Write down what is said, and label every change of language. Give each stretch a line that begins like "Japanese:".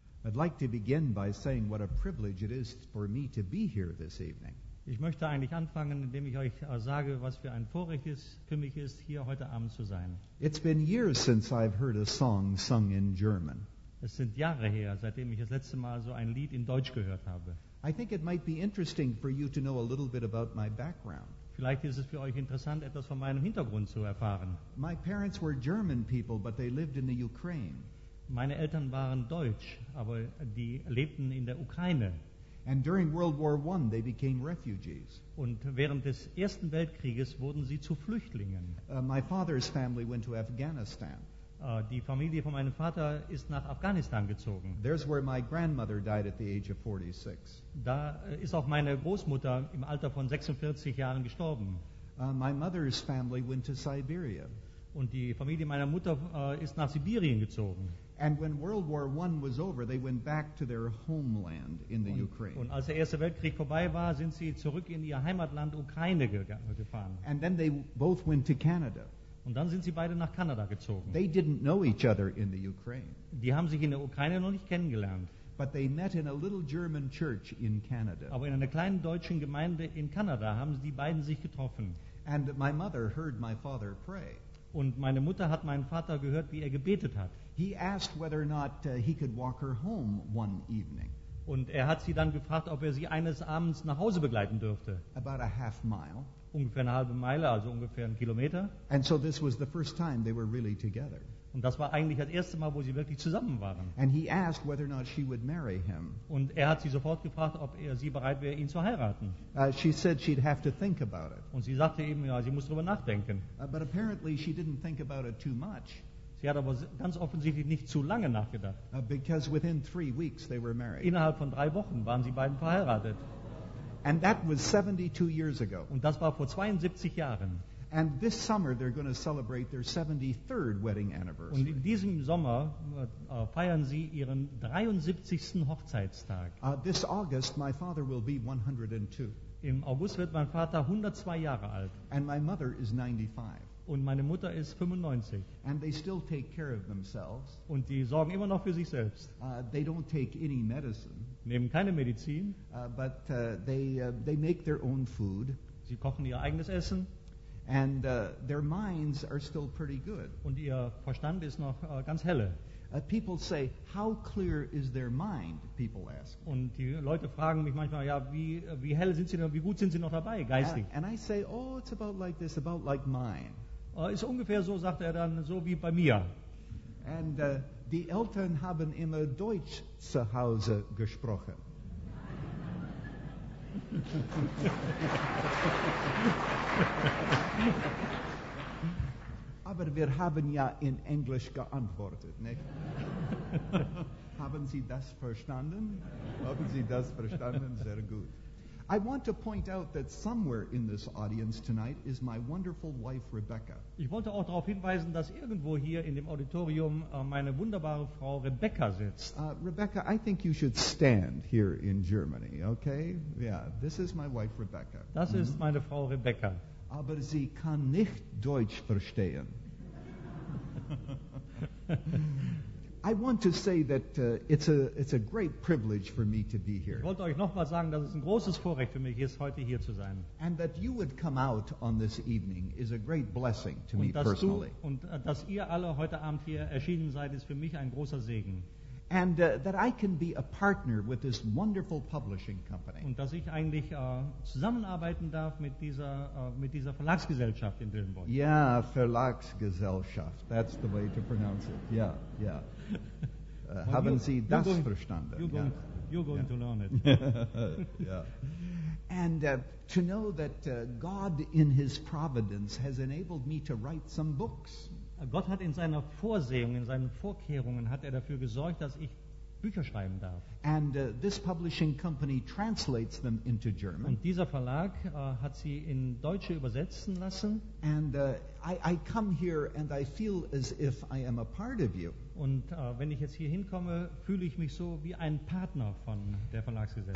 English: I'd like to begin by saying what a privilege it is for me to be here this evening.
German: Ich möchte eigentlich anfangen, indem ich euch sage, was für ein Vorrecht es für mich ist, hier heute Abend zu sein.
English: It's been years since I've heard a song sung in German.
German: Es sind Jahre her, seitdem ich das letzte Mal so ein Lied in Deutsch gehört habe.
English: I think it might be interesting for you to know a little bit about my background.
German: Vielleicht ist es für euch interessant, etwas von meinem Hintergrund zu erfahren.
English: My parents were German people, but they lived in the Ukraine.
German: Meine Eltern waren Deutsch, aber die lebten in der Ukraine.
English: And during World War I, they became refugees.
German: Und während des Ersten Weltkrieges wurden sie zu Flüchtlingen.
English: My father's family went to Afghanistan.
German: Die Familie von meinem Vater ist nach Afghanistan gezogen.
English: There's where my grandmother died at the age of 46.
German: Da ist auch meine Großmutter im Alter von 46 Jahren gestorben.
English: My mother's family went to Siberia.
German: Und die Familie meiner Mutter ist nach Sibirien gezogen.
English: And when World War I was over, they went back to their homeland in the Ukraine.
German: Und als der Erste Weltkrieg vorbei war, sind sie zurück in ihr Heimatland Ukraine gefahren.
English: And then they both went to Canada.
German: Und dann sind sie beide nach Kanada gezogen.
English: They didn't know each other in the Ukraine.
German: Die haben sich in der Ukraine noch nicht kennengelernt.
English: But they met in a little German church in Canada.
German: Aber in einer kleinen deutschen Gemeinde in Kanada haben die beiden sich getroffen.
English: And my mother heard my father pray.
German: Und meine Mutter hat meinen Vater gehört, wie gebetet hat.
English: He asked whether or not he could walk her home one evening.
German: Und hat sie dann gefragt, ob sie eines Abends nach Hause begleiten dürfte.
English: About a half mile.
German: Ungefähr eine halbe Meile, also ungefähr einen Kilometer.
English: And so this was the first time they were really together.
German: Und das war eigentlich das erste Mal, wo sie wirklich zusammen waren.
English: And he asked whether or not she would marry him.
German: Und hat sie sofort gefragt, ob sie bereit wäre, ihn zu heiraten.
English: She said she'd have to think about it.
German: Und sie sagte eben, ja, sie muss darüber nachdenken.
English: But apparently she didn't think about it too much.
German: Sie hat aber ganz offensichtlich nicht zu lange nachgedacht.
English: Because within 3 weeks they were married.
German: Innerhalb von 3 Wochen waren sie beiden verheiratet.
English: And that was 72 years ago.
German: Und das war vor 72 Jahren.
English: And this summer they're going to celebrate their 73rd wedding anniversary.
German: Und in diesem Sommer feiern sie ihren 73. Hochzeitstag.
English: This August my father will be 102.
German: Im August wird mein Vater 102 Jahre alt.
English: And my mother is 95.
German: Und meine Mutter ist 95.
English: And they still take care of themselves.
German: Und die sorgen immer noch für sich selbst.
English: They don't take any medicine.
German: Nehmen keine Medizin.
English: But they make their own food.
German: Sie kochen ihr eigenes Essen.
English: And their minds are still pretty good.
German: Und ihr Verstand ist noch ganz helle.
English: People say, how clear is their mind? People ask.
German: Und die Leute fragen mich manchmal, ja, wie hell sind sie noch, wie gut sind sie noch dabei, geistig?
English: And I say, oh, it's about like this, about like mine.
German: Ist ungefähr so, sagt dann, so wie bei mir. And die Eltern haben immer Deutsch zu Hause gesprochen. Aber wir haben ja in Englisch geantwortet, nicht? Haben Sie das verstanden? Haben Sie das verstanden? Sehr gut.
English: I want to point out that somewhere in this audience tonight is my wonderful wife Rebecca.
German: Ich wollte auch darauf hinweisen, dass irgendwo hier in dem Auditorium meine wunderbare Frau Rebecca sitzt.
English: Rebecca, I think you should stand here in Germany, okay? Yeah, this is my wife Rebecca.
German: Das ist meine Frau Rebecca. Aber sie kann nicht Deutsch verstehen.
English: I want to say that it's a great privilege for me to be here.
German: Ich wollte euch nochmal sagen, dass es ein großes Vorrecht für mich ist, heute hier zu sein.
English: And that you would come out on this evening is a great blessing to me personally.
German: Und dass ihr alle heute Abend hier erschienen seid, ist für mich ein großer Segen.
English: And that I can be a partner with this wonderful publishing company.
German: Und dass ich eigentlich zusammenarbeiten darf mit dieser Verlagsgesellschaft in Dillenburg.
English: Yeah, Verlagsgesellschaft. That's the way to pronounce it.
German: Yeah, yeah. Haben Sie das
English: you're going,
German: verstanden?
English: You're going to learn it. Yeah. And to know that God in his providence has enabled me to write some books.
German: Gott hat in seiner Vorsehung, in seinen Vorkehrungen, hat dafür gesorgt, dass ich Bücher schreiben darf.
English: And this publishing company translates them into German.
German: Und dieser Verlag hat sie in Deutsche übersetzen lassen.
English: And I come here and I feel as if I am a part of you.
German: Und wenn ich jetzt hier hinkomme, fühle ich mich so wie ein Partner von der Verlagsgesellschaft.